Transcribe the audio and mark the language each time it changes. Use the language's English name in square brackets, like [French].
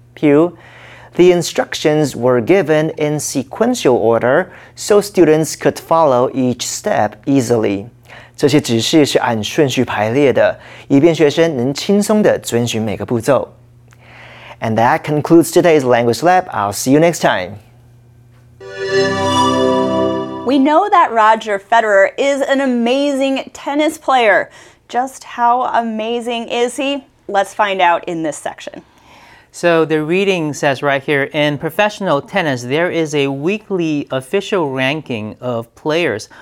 [English] 譬如，The instructions were given in sequential order so students could follow each step easily。 [Chinese] 这些指示是按顺序排列的，以便学生能轻松地遵循每个步骤。 [English] And that concludes today's Language Lab. I'll see you next time. We know that Roger Federer is an amazing tennis player. Just how amazing is he? Let's find out in this section. So the reading says right here, in professional tennis, there is a weekly official ranking of players.